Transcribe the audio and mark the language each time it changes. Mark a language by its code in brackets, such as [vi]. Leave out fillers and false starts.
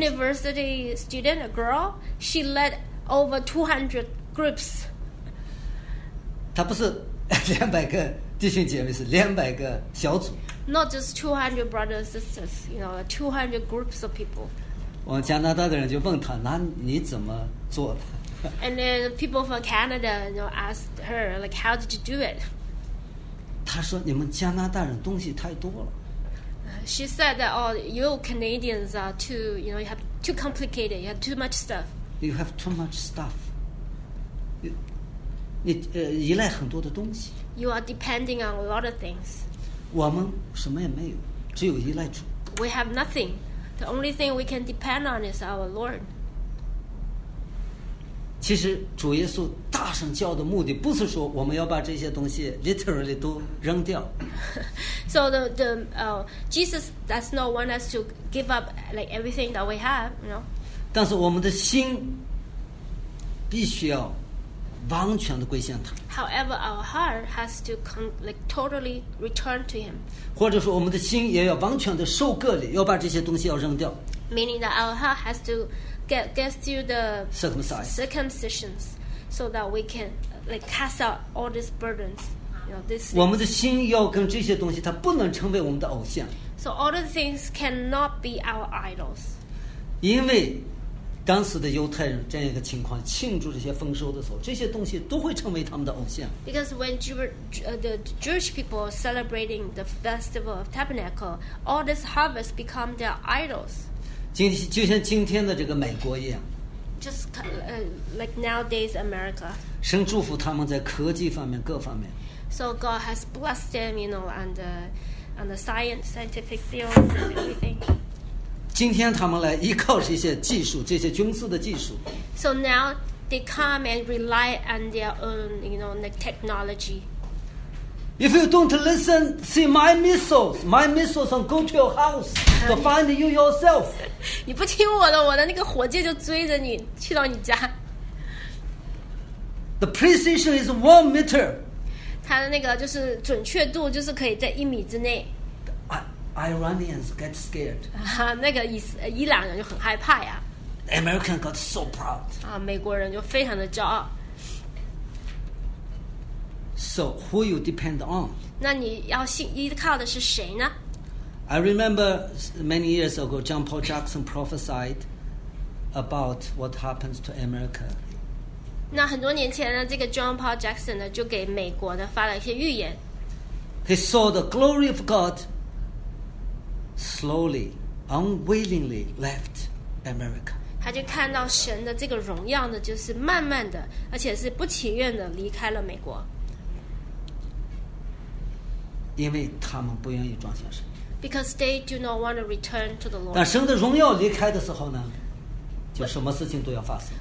[en] University student, a girl, she led over 200 groups. [zh] 他不是200个弟兄姐妹，是200个小组。 [en] Not just 200 brothers and sisters, you know, 200 groups of people. [zh] 我们加拿大的人就问他，那你怎么做的？ [en] And then people from Canada, you know, asked her, like, how did you do it? [zh] 他说，你们加拿大人东西太多了。 [en] She said that, oh, you Canadians are too, you know, you have too complicated, you have too much stuff. You have too much stuff. [zh] 你依赖很多的东西。 [en] You are depending on a lot of things. [zh] 我们什么也没有，只有依赖主。 [en] We have nothing. The only thing we can depend on is our Lord. [zh] 其实主耶稣大声叫的目的不是说我们要把这些东西 literally 都扔掉。 [en] So the Jesus does not want us to give up like everything that we have, you know. [zh] 但是我们的心必须要完全的归向他。 [en] However, our heart has to come, like totally return to Him. [zh] 或者说，我们的心也要完全的受割礼，要把这些东西要扔掉。 [en] Meaning that our heart has to get through the circumcisions, so that we can like cast out all these burdens. You know, this. [zh] 我们的心要跟这些东西，它不能成为我们的偶像。 [en] So all the things cannot be our idols. [zh] 因为当时的犹太人这样一个情况，庆祝这些丰收的时候，这些东西都会成为他们的偶像。 [en] Because when the Jewish people celebrating the festival of Tabernacle, all this harvest become their idols. [zh] 就像今天的这个美国一样。 [en] Just like nowadays America. [zh] 神祝福他们在科技方面各方面。 [en] So God has blessed them, you know, on the scientific fields and everything. [zh] 今天他们来依靠这些技术，这些军事的技术。 [en] So now they come and rely on their own, you know, the technology. If you don't listen, see my missiles and go to your house to find you yourself. [zh] 你不听我的，我的那个火箭就追着你去到你家。 [en] The precision is 1 meter. [zh] 它的那个就是准确度，就是可以在一米之内。 [en] Iranians get scared. [zh] 那个伊朗人就很害怕呀。 [en] American got so proud. [zh] 美国人就非常的骄傲。 [en] So who you depend on? [zh] 那你要依靠的是谁呢？ [en] I remember many years ago, John Paul Jackson prophesied about what happens to America. [zh] 那很多年前呢，这个 John Paul Jackson 呢，就给美国呢发了一些预言。 [en] He saw the glory of God. Slowly, unwillingly left America. [zh] 他就看到神的这个荣耀呢，就是慢慢的，而且是不情愿的离开了美国。因为他们不愿意转向神。 [en] Because they do not want to return to the Lord. [zh] 但神的荣耀离开的时候呢，就什么事情都要发生。